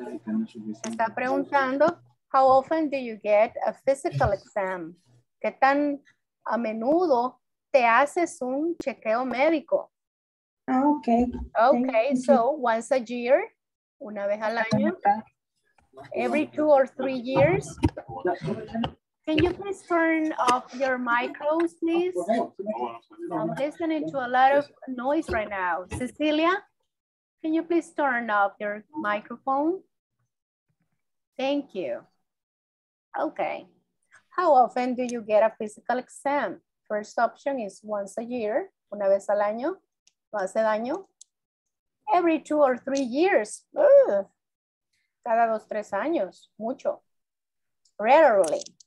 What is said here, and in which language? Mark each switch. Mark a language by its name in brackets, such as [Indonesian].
[Spanish] Me está preguntando, [English] how often do you get a physical exam? [Spanish] ¿Qué tan a menudo te haces un chequeo médico? [English] Okay, so once a year, [Spanish] una vez al año. [English] Every 2 or 3 years. Can you please turn off your micros, please? I'm listening to a lot of noise right now. Cecilia, can you please turn off your microphone? Thank you. Okay. How often do you get a physical exam? First option is once a year, [Spanish] una vez al año. ¿No hace daño? [English] Every 2 or 3 years. [Spanish] Cada 2, 3 años, mucho. [English] Rarely.